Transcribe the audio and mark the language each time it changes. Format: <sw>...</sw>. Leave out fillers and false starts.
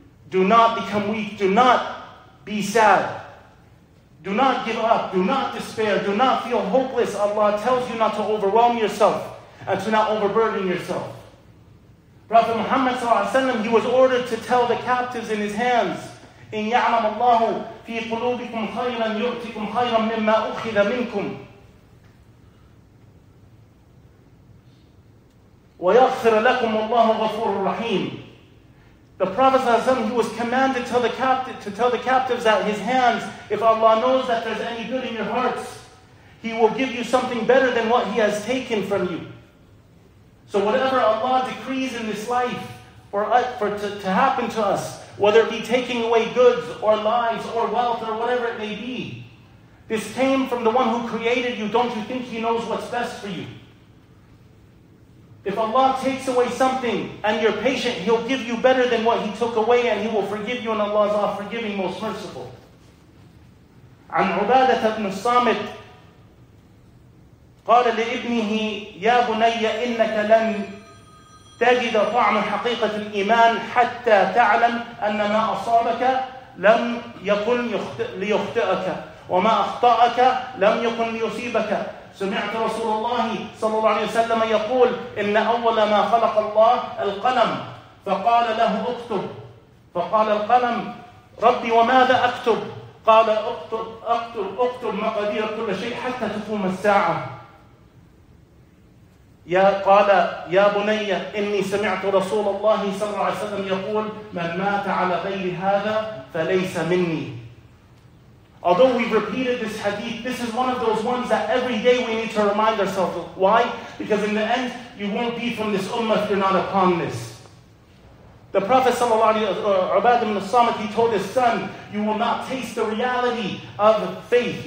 <en>Do not become weak. Do not be sad. Do not give up. Do not despair. Do not feel hopeless. Allah tells you not to overwhelm yourself and to not overburden yourself. Prophet Muhammad ﷺ, he was ordered to tell the captives in his hands,</en> <ar>إن يعلم الله في قلوبكم خيرا يؤتكم خيرا مما أخذ منكم ويغفر لكم والله غفور رحيم.</ar> <en>The Prophet ﷺ, he was commanded to tell the captives that his hands, if Allah knows that there's any good in your hearts, he will give you something better than what he has taken from you. So whatever Allah decrees in this life for to happen to us, whether it be taking away goods or lives or wealth or whatever it may be, this came from the one who created you. Don't you think he knows what's best for you? If Allah takes away something and you're patient, He'll give you better than what He took away, and He will forgive you, and Allah is all forgiving, most merciful.</en> <ar>عن عبادة بن الصامت قال لابنه يا بني إنك لن تجد طعم حقيقة الإيمان حتى تعلم أن ما أصابك لم يكن ليخطئك وما أخطأك لم يكن ليصيبك. سمعت رسول الله صلى الله عليه وسلم يقول إن أول ما خلق الله القلم فقال له اكتب فقال القلم ربي وماذا أكتب قال اكتب مقادير كل شيء حتى تقوم الساعة. يا قال يا بني إني سمعت رسول الله صلى الله عليه وسلم يقول من مات على غير هذا فليس مني.</ar> <en>Although we've repeated this hadith, this is one of those ones that every day we need to remind ourselves of. Why? Because in the end, you won't be from this ummah if you're not upon this. The Prophet Ubad ibn al-Samit, he told his son, you will not taste the reality of faith.</en>